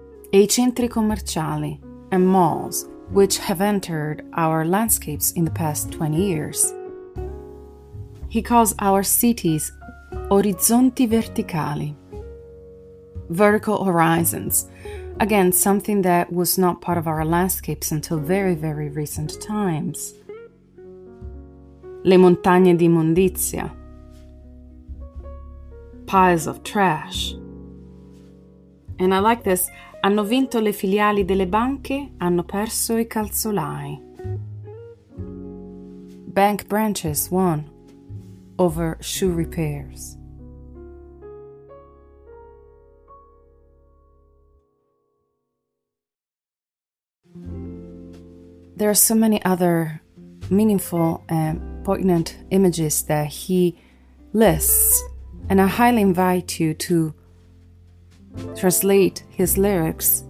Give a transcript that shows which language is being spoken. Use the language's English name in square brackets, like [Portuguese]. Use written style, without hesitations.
[Italian] E i centri commerciali [English] and malls, which have entered our landscapes in the past 20 years. He calls our cities [Italian] orizzonti verticali, [English] vertical horizons. Again, something that was not part of our landscapes until very, very recent times. [Italian] Le montagne di immondizia. [English] Piles of trash. And I like this. [Italian] Hanno vinto le filiali delle banche, hanno perso i calzolai. [English] Bank branches won over shoe repairs. There are so many other meaningful and poignant images that he lists, and I highly invite you to translate his lyrics.